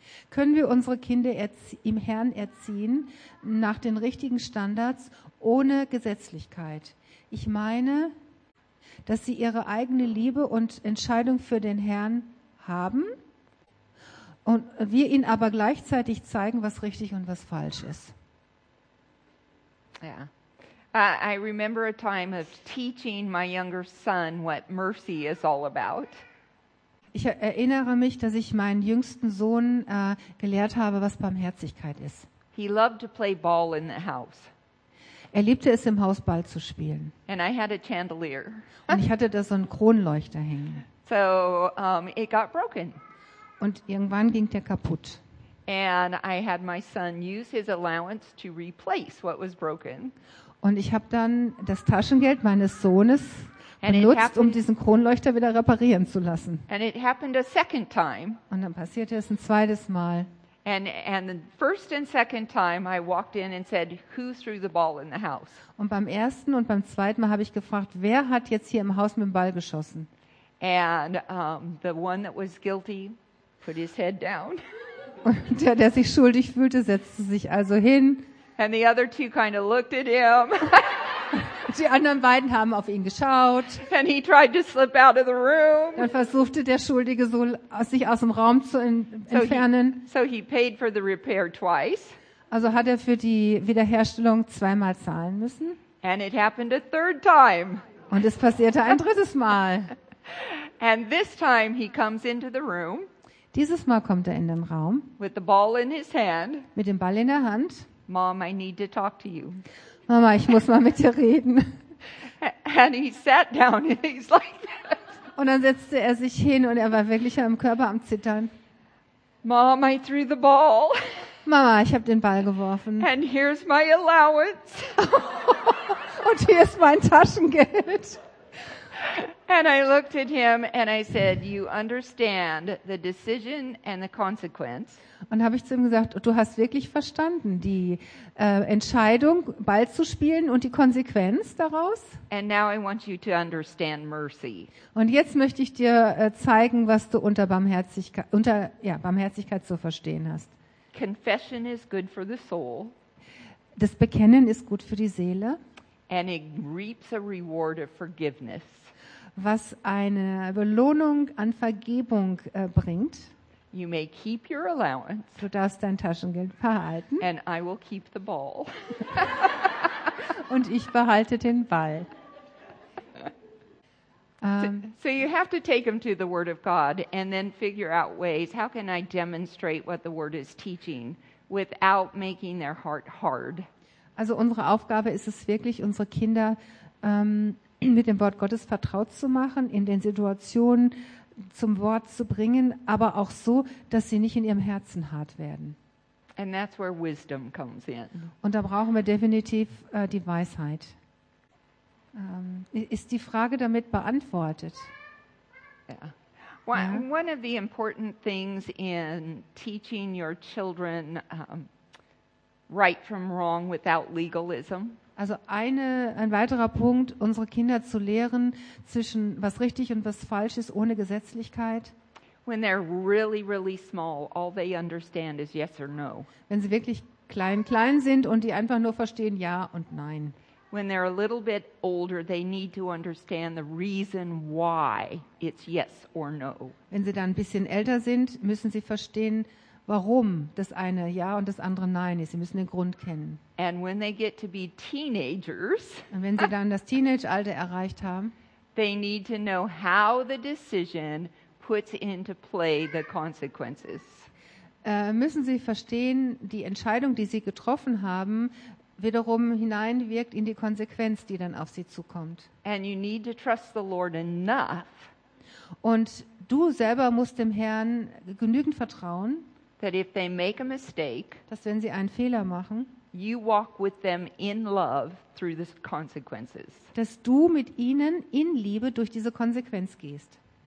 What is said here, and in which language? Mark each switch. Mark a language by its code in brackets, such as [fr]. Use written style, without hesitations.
[de] Können wir unsere Kinder im Herrn erziehen nach den richtigen Standards ohne Gesetzlichkeit? Ich meine, dass sie ihre eigene Liebe und Entscheidung für den Herrn haben und wir ihnen aber gleichzeitig zeigen, was richtig und was falsch ist. Ja. [en] I remember a time of teaching my younger son what mercy is all about. [de] Ich erinnere mich, dass ich meinen jüngsten Sohn gelehrt habe, was Barmherzigkeit ist. [en] He loved to play ball in the house. [de] Er liebte es, im Haus Ball zu spielen. [en] And I had a chandelier. [de] Und ich hatte da so einen Kronleuchter hängen. [en] So, it got broken. [de] Und irgendwann ging der kaputt. [en] And I had my son use his allowance to replace what was broken. [de] Und ich habe dann das Taschengeld meines Sohnes benutzt, um diesen Kronleuchter wieder reparieren zu lassen. [en] And it happened a second time. [de] Und dann passierte es ein zweites Mal. [en] And the first and second time I walked in and said, who threw the ball in the house? [de] Und beim ersten und beim zweiten Mal habe ich gefragt, wer hat jetzt hier im Haus mit dem Ball geschossen? [en] And the one that was guilty put his head down. [de] Und der sich schuldig fühlte, setzte sich also hin. [en] And the other two kind of looked at him. [de] Die anderen beiden haben auf ihn geschaut. [en] And he tried to slip out of the room. [de] Dann versuchte der Schuldige so, sich aus dem Raum zu entfernen. [en] So he paid for the repair twice. [de] Also hat er für die Wiederherstellung zweimal zahlen müssen. [en] And it happened a third time. [de] Und es passierte ein drittes Mal. [en] And this time he comes into the room. [de] Dieses Mal kommt er in den Raum. [en] With the ball in his hand. [de] Mit dem Ball in der Hand. [en] Mom, I need to talk to you. [de] Mama, ich muss mal mit dir reden. [en] And he sat down and he's like that. [de] Und dann setzte er sich hin und er war wirklich am Körper am Zittern. [en] Mom, I threw the ball. [de] Mama, ich habe den Ball geworfen. [en] And here's my allowance. [de] Und hier ist mein Taschengeld. [en] And I looked at him and I said, you understand the decision and the consequence. [de] Und habe ich zu ihm gesagt, du hast wirklich verstanden, die Entscheidung, Ball zu spielen und die Konsequenz daraus? [en] And now I want you to understand mercy. [de] Und jetzt möchte ich dir zeigen, was du unter Barmherzigkeit zu verstehen hast. [en] Confession is good for the soul. [de] Das Bekennen ist gut für die Seele. [en] And it reaps a reward of forgiveness. [de] Was eine Belohnung an Vergebung bringt. [en] You may keep your allowance. [de] Du darfst dein Taschengeld behalten. [en] And I will keep the ball. [de] Und ich behalte den Ball. [en] So you have to take them to the Word of God and then figure out ways, how can I demonstrate what the Word is teaching without making their heart hard? [de] Also unsere Aufgabe ist es wirklich, unsere Kinder mit dem Wort Gottes vertraut zu machen, in den Situationen zum Wort zu bringen, aber auch so, dass sie nicht in ihrem Herzen hart werden. [en] And that's where wisdom comes in. [de] Und da brauchen wir definitiv die Weisheit. Ist die Frage damit beantwortet? [en] Yeah. Well, ja. One of the important things in teaching your children right from wrong without legalism. [de] Also ein weiterer Punkt, unsere Kinder zu lehren zwischen was richtig und was falsch ist ohne Gesetzlichkeit. [en] When they're really, really small, all they understand is yes or no. [de] Wenn sie wirklich klein sind und die einfach nur verstehen ja und nein. [en] When they're a little bit older, they need to understand the reason why it's yes or no. [de] Wenn sie dann ein bisschen älter sind, müssen sie verstehen, warum das eine ja und das andere nein ist. Sie müssen den Grund kennen. [en] And when they get to be teenagers, [de] und wenn sie dann das Teenage-Alter erreicht haben, [en] they need to know how the decision puts into play the consequences. [de] Müssen sie verstehen, die Entscheidung, die sie getroffen haben, wiederum hineinwirkt in die Konsequenz, die dann auf sie zukommt. [en] And you need to trust the Lord enough. [de] Und du selber musst dem Herrn genügend vertrauen, [en] that if they make a mistake, [de] dass wenn sie einen Fehler machen, [en] you walk with them in love through the consequences. [de] Dass du mit ihnen in Liebe durch diese Konsequenz gehst.